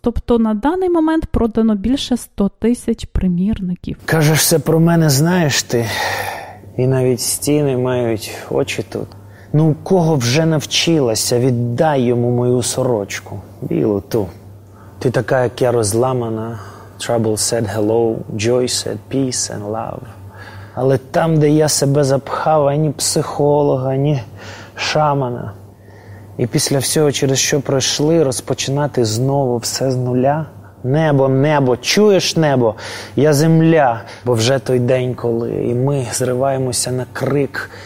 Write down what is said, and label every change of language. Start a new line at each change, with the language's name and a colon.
Ukrainian: Тобто на даний момент продано більше 100 тисяч примірників. Кажеш, все про мене знаєш ти. І навіть стіни мають очі тут. Ну, у кого вже навчилася, віддай йому мою сорочку. Білу ту. Ти така, як я, розламана.
English: Trouble said hello, joy said peace and love.
Ukrainian: Але там, де я себе запхав, ані психолога, ані шамана. І після всього, через що пройшли, розпочинати знову все з нуля. Небо, небо, чуєш небо? Я земля, бо вже той день, коли і ми зриваємося на крик.